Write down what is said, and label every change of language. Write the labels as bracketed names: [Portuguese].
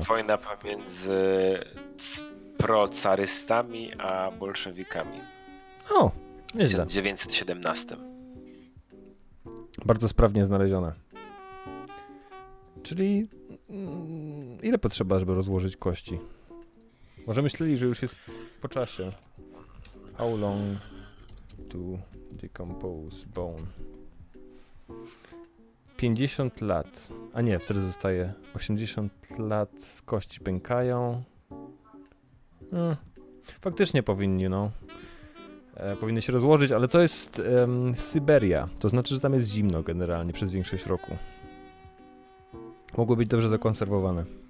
[Polish] Wojna pomiędzy procarystami a bolszewikami. O, nieźle. W 1917. Bardzo sprawnie znalezione. Czyli ile potrzeba, żeby rozłożyć kości? Może myśleli, że już jest po czasie. [English] How long to decompose bone? [Polish] 50 lat, a nie, wtedy zostaje 80 lat, kości pękają. Faktycznie powinni, no. Powinny się rozłożyć, ale to jest Syberia. To znaczy, że tam jest zimno generalnie przez większość roku. Mogły być dobrze zakonserwowane.